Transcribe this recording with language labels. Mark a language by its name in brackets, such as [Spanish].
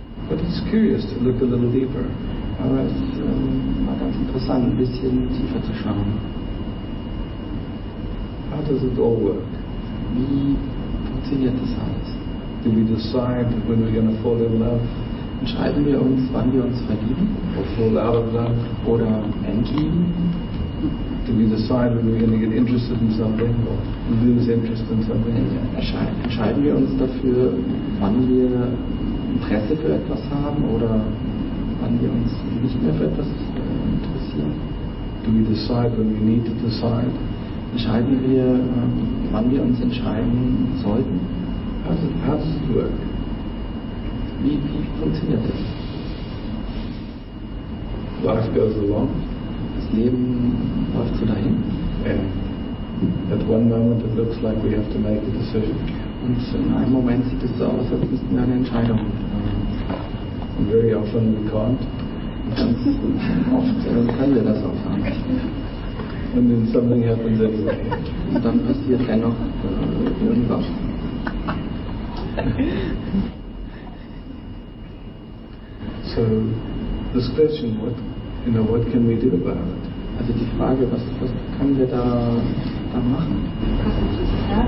[English] But it's curious to look a little deeper. [German] Aber es ist mal ganz interessant, ein bisschen tiefer zu schauen. [English] How does it all work? [German] Wie funktioniert das alles? [English] Do we decide when we're going to fall in love? [German] Entscheiden wir uns, wann wir uns verlieben? [English] Or fall out of love? [German] Oder entlieben? [English] Do we decide when we're going to get interested in something or lose interest in something? [German] Entscheiden wir uns dafür, wann wir Interesse für etwas haben oder wann wir uns nicht mehr für etwas interessieren? [English] Do we decide when we need to decide? [German] Entscheiden wir, wann wir uns entscheiden sollten? [English] How does it work? [German] Wie funktioniert das? [English] Life goes along. [German] Das Leben läuft so dahin. [English] And at one moment it looks like we have to make a decision. [German] Und in einem Moment sieht es so aus, als müssten wir eine Entscheidung machen. [English] And very often we can't. [German] Ganz oft können wir das auch sagen. [English] And then something happens anyway. [German] Und dann passiert dennoch irgendwas. [English] So, this question, what can we do about it? [German] Also die Frage, was können wir da machen?